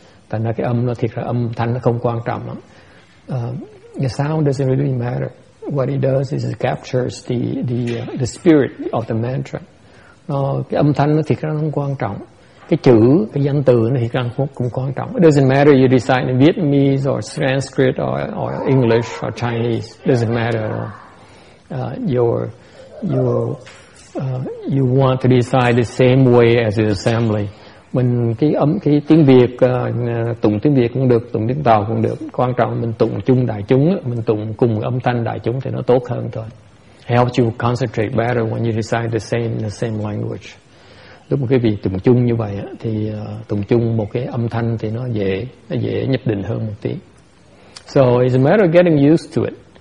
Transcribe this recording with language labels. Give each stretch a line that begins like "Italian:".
Vietnamese: Thành ra cái âm nó thiệt là âm thanh nó không quan trọng lắm.
English: The sound doesn't really matter. What it does is it captures the spirit of the mantra.
Vietnamese: Cái âm thanh nó thiệt ra không quan trọng. Cái chữ, cái danh từ nó thiệt ra cũng quan trọng.
English: It doesn't matter you recite in Vietnamese or Sanskrit or English or Chinese. It doesn't matter at all. You want to recite the same way as the assembly.
Vietnamese: Mình cái tiếng Việt, tụng tiếng Việt cũng được, tụng tiếng Tàu cũng được. Quan trọng mình tụng chung đại chúng, mình tụng cùng âm thanh đại chúng thì nó tốt hơn thôi.
English: Helps you concentrate better when you recite the same language.
Vietnamese: Lúc mà quý vị tụng chung như vậy thì tụng chung một cái âm thanh thì nó dễ nhập định hơn một tí.
English: So it's a matter of getting used to it.